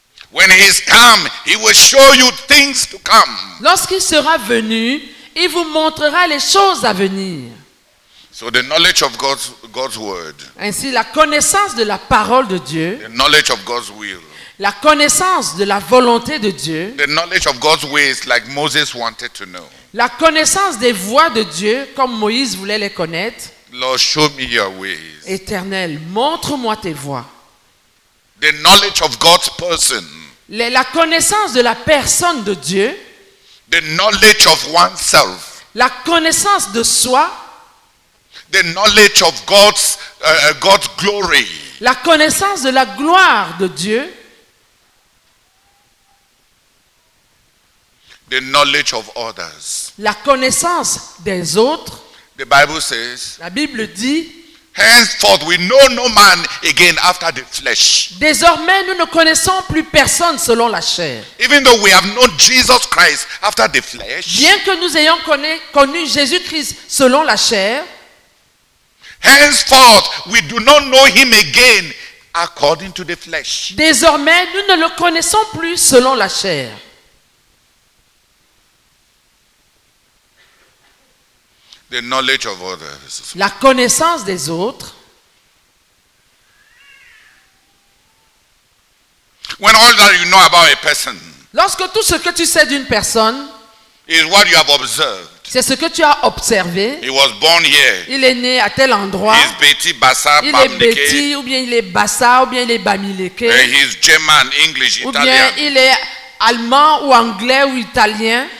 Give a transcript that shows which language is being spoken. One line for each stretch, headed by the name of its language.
English: When he is come, he will show you things to come.
French: Lorsqu'il sera venu, il vous montrera les choses à venir.
English: So the knowledge of God's word.
French: Ainsi la connaissance de la parole de Dieu.
English: The knowledge of God's will.
French: La connaissance de la volonté de Dieu.
English: The knowledge of God's ways like Moses wanted to know.
French: La connaissance des voies de Dieu comme Moïse voulait les connaître.
English: Lord, show me your ways.
French: Éternel, montre-moi tes voies.
English: The knowledge of God's person.
French: La connaissance de la personne de Dieu.
English: The knowledge of oneself.
French: La connaissance de soi.
English: The knowledge of God's glory.
French: La connaissance de la gloire de Dieu.
English: The knowledge of others.
French: La connaissance des autres.
English: The Bible says.
French: La Bible dit.
English: Henceforth, we know no man again after the flesh.
French: Désormais, nous ne connaissons plus personne selon la chair.
English: Even though we have known Jesus Christ after the flesh.
French: Bien que nous ayons connu Jésus-Christ selon la chair.
English: Henceforth, we do not know him again according to the flesh.
French: Désormais, nous ne le connaissons plus selon la chair.
English: The knowledge of others.
French: La connaissance des autres.
English: When all that you know about a person.
French: Lorsque tout ce que tu sais d'une personne.
English: Is what you have observed.
French: C'est ce que tu as observé.
English: He was born here.
French: Il est né à tel endroit.
English: He is Beti, Bassa,
French: il est Beti, ou bien il est Bassa, ou bien il est Bamileke.
English: He is German, English,
French: ou bien
English: Italian.
French: Il est allemand, ou anglais, ou italien.